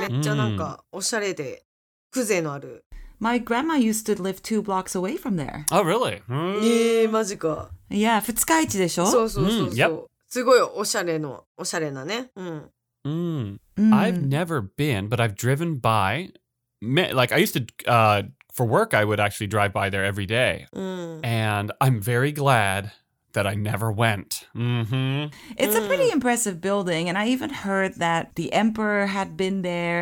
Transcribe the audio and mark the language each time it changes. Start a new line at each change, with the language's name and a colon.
Japanese: めっちゃなんかおしゃれで、風情のある。
English: My grandma used to live 2 blocks away from there. Oh, really?
Japanese: マジか。 Yeah, 二日市でしょ？そうそうそう。Yep. すごいおしゃれの、おしゃれなね。
English: I've never been, but I've driven by... Like, I used to, for work, I would actually drive by there every day. And I'm very glad that I never went. It's a pretty impressive building. And I even heard that the emperor had been there.